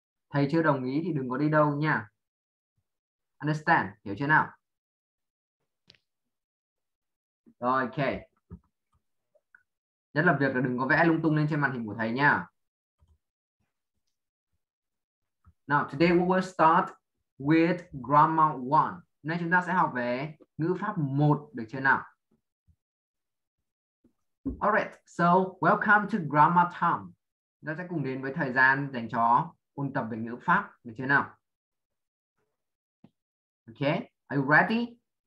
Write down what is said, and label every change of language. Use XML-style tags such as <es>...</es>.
<vi>Thầy chưa đồng ý thì đừng có đi đâu nha. Understand, hiểu chưa nào? Rồi, ok. Nhất là việc là đừng có vẽ lung tung lên trên màn hình của thầy nha.</vi> <en>Now, today we will start with grammar one.</en> <vi>Nay chúng ta sẽ học về ngữ pháp 1, được chưa nào?</vi> <en>Alright, so welcome to grammar time.</en> <vi>Chúng ta sẽ cùng đến với thời gian dành cho ôn tập về ngữ pháp, được chưa nào?</vi> <en>Ok, are you ready?</en>